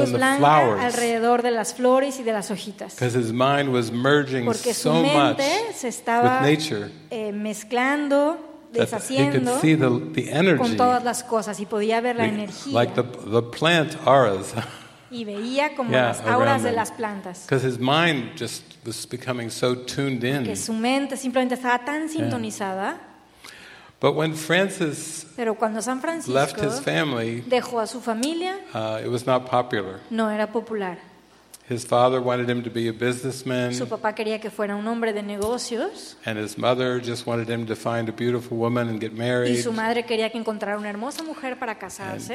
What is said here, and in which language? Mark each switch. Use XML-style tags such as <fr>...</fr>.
<es>luz</es> <en>and the flowers.</en> <es>Alrededor de las flores y de las hojitas.</es> <en>Because his mind was merging so much with nature.</en> <es>Mezclando</es> <en>that he could see the energy</en> <es>con todas las cosas y podía ver la energía.</es> <en>Like the plant auras.</en> <es>Y veía como las auras de las plantas.</es> <en>Because his mind just was becoming so tuned in.</en> <es>Que su mente simplemente estaba tan sintonizada.</es> <en>But when Francis</en> <es>pero cuando San Francisco</es> <en>left his family,</en> <es>dejó a su familia,</es> <en>it was not popular.</en> <es>No era popular.</es> <en>His father wanted him to be a businessman.</en> <es>Su papá quería que fuera un hombre de negocios.</es> <en>And his mother just wanted him to find a beautiful woman and get married.</en> <es>Y su madre quería que encontrara una hermosa mujer para casarse.</es>